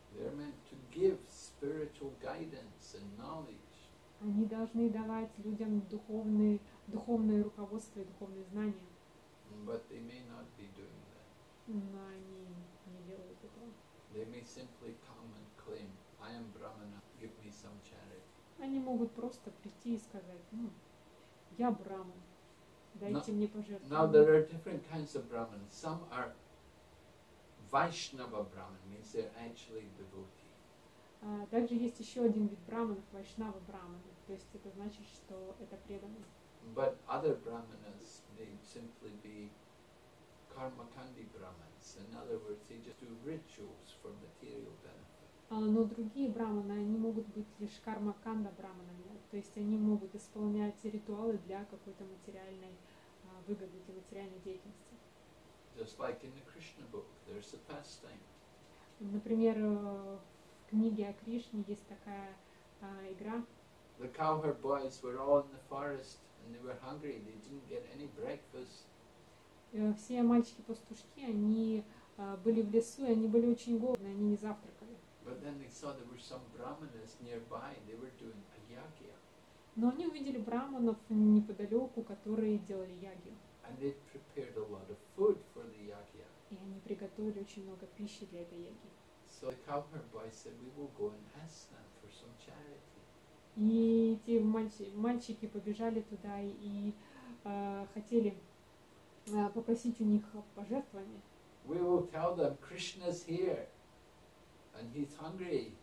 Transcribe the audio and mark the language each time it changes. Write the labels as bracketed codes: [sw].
[en] They are meant to give spiritual guidance and knowledge. [ru] Они должны давать людям духовное руководство и духовные знания. [en] But they may not be doing that. [ru] Но они не делают этого. [en] They may simply come and claim, I am Brahmana, give me some charity. [ru] Они могут просто прийти и сказать, я Браман, дайте мне пожертвование. [en] Now there are different kinds of Brahman. Some are Vaishnava Brahman, means they're actually devotee. [ru] Также есть еще один вид Брахманов, Вайшнава Брахманы. То есть это значит, что это преданный. [en] But other Brahmanas may simply be Karmakandi Brahmans. In other words, they just do rituals for material benefit. [ru] Но другие Брахманы, они могут быть лишь Кармаканда Брахманами. То есть они могут исполнять ритуалы для какой-то материальной выгоды, для материальной деятельности. [en] Just like in the Krishna book, there's a pastime. [ru] Например, в книге о Кришне есть такая игра. [en] The cowherd boys were all in the forest and they were hungry. They didn't get any breakfast. [ru] Все мальчики-пастушки, они были в лесу, и они были очень голодны, они не завтракали. [en] But then they saw there were some brahmanas nearby. They were doing a yagya. [ru] Но они увидели брахманов неподалеку, которые делали ягью. [en] And they prepared a lot of food for the yagya. [ru] И они приготовили очень много пищи для этой яги. [en] So the cowherd boy said, "We will go and ask them for some charity." [ru] И те мальчики побежали туда и хотели попросить у них пожертвования. [en] We will tell them Krishna's here, and he's hungry.